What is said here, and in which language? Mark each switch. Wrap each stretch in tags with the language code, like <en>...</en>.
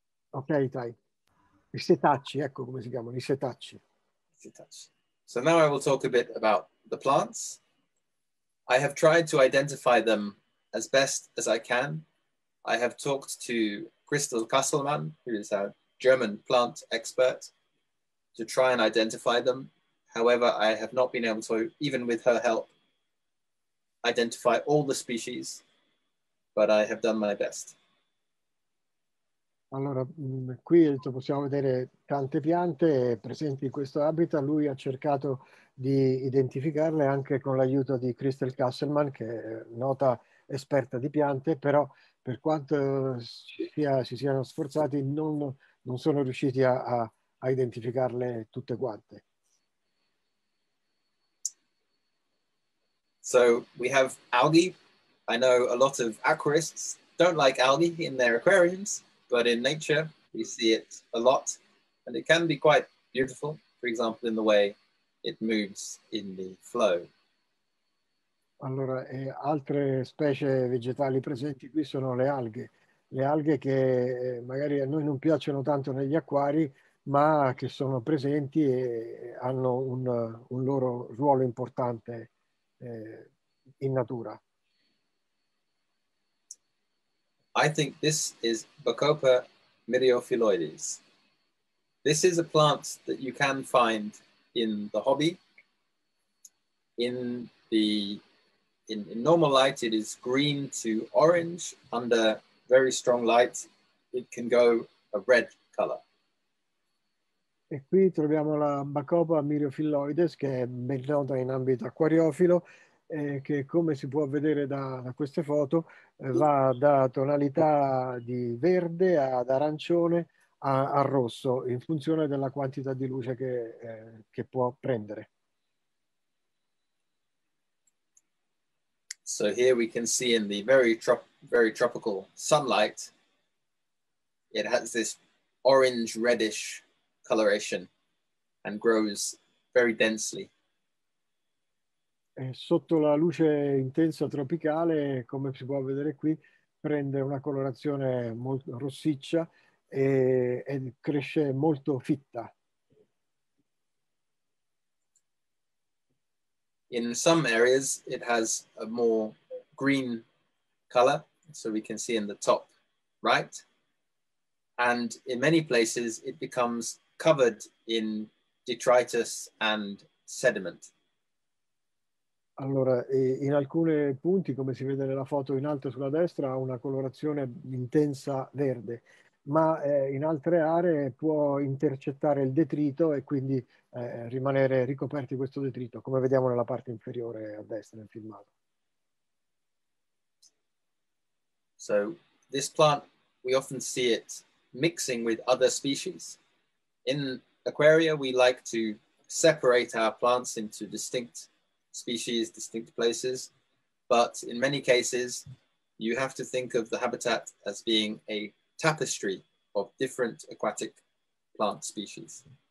<it>Ok, dai. I setacci, ecco come si chiamano, i setacci.</it> <en>So now I will talk a bit about the plants. I have tried to identify them as best as I can. I have talked to Crystal Kasselmann, who is a German plant expert, to try and identify them. However, I have not been able to, even with her help, identify all the species, but I have done my best.</en> <it>Allora, qui possiamo vedere tante piante presenti in questo habitat. Lui ha cercato di identificarle anche con l'aiuto di Crystal Castleman, che è nota esperta di piante, però per quanto si siano sforzati non sono riusciti a identificarle tutte quante.</it> <en>So we have algae. I know a lot of aquarists don't like algae in their aquariums, but in nature we see it a lot, and it can be quite beautiful, for example, in the way it moves in the flow.</en> <it>Allora, altre specie vegetali presenti qui sono le alghe che magari a noi non piacciono tanto negli acquari, ma che sono presenti e hanno un loro ruolo importante in natura.</it> <en>I think this is Bacopa myriophylloides. This is a plant that you can find in the hobby. In normal light, it is green to orange. Under very strong light, it can go a red color.</en> <it>E qui troviamo la Bacopa myriophylloides, che è ben nota in ambito acquariofilo. Che come si può vedere da queste foto, va da tonalità di verde ad arancione a rosso in funzione della quantità di luce che può prendere.</it> <en>So here we can see in the very tropical sunlight, it has this orange reddish coloration and grows very densely.</en> <it>Sotto la luce intensa tropicale, come si può vedere qui, prende una colorazione molto rossiccia e cresce molto fitta.</it> <en>In some areas it has a more green color, so we can see in the top right. And in many places it becomes covered in detritus and sediment.</en> <it>Allora, in alcuni punti, come si vede nella foto in alto sulla destra, ha una colorazione intensa verde, ma in altre aree può intercettare il detrito e quindi rimanere ricoperti questo detrito, come vediamo nella parte inferiore a destra nel filmato.</it> <en>So this plant, we often see it mixing with other species. In aquaria, we like to separate our plants into distinct species, distinct places, but in many cases, you have to think of the habitat as being a tapestry of different aquatic plant species.</en>